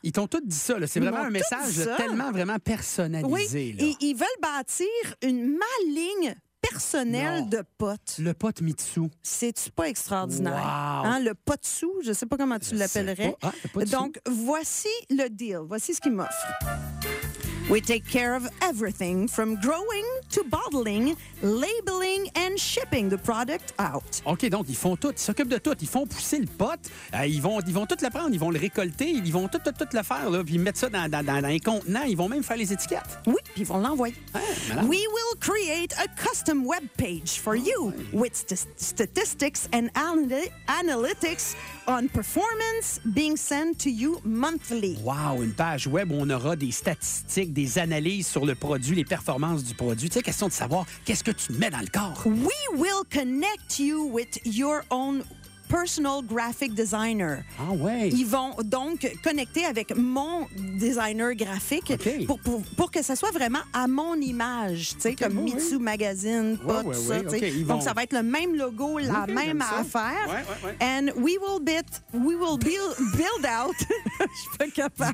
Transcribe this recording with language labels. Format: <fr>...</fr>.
<fr>Ils t'ont tous dit ça, là. C'est vraiment un message tellement, vraiment personnalisé. Oui, là. Et ils veulent bâtir une maligne personnel de pote. Le pote Mitsu. C'est-tu pas extraordinaire? Wow. Hein, le pote sou, je sais pas comment tu l'appellerais. Ah, donc, voici le deal. Voici ce qu'il m'offre.</fr> <en>We take care of everything from growing to bottling, labeling and shipping the product out.</en> <fr>OK, donc ils font tout. Ils s'occupent de tout. Ils font pousser le pote. Ils vont tout le prendre. Ils vont le récolter. Ils vont tout le faire. Là, puis mettre ça dans les contenants. Ils vont même faire les étiquettes. Oui. Puis ils vont l'envoyer. Ouais,</fr> <en>we will create a custom web page for you with statistics and analytics on performance being sent to you monthly.</en> <fr>Wow, une page web où on aura des statistiques, des analyses sur le produit, les performances du produit. Tu sais, question de savoir qu'est-ce que tu te mets dans le corps.</fr> <en>We will connect you with your own personal graphic designer.</en> <fr>Ah ouais. Ils vont donc connecter avec mon designer graphique pour que ça soit vraiment à mon image, tu sais, okay, comme Mitsu Magazine, tout ça. Donc ça va être le même logo, la même affaire. Ouais, ouais, ouais.</fr> <en>And we will build out.</en> <fr>Je suis pas capable.</fr>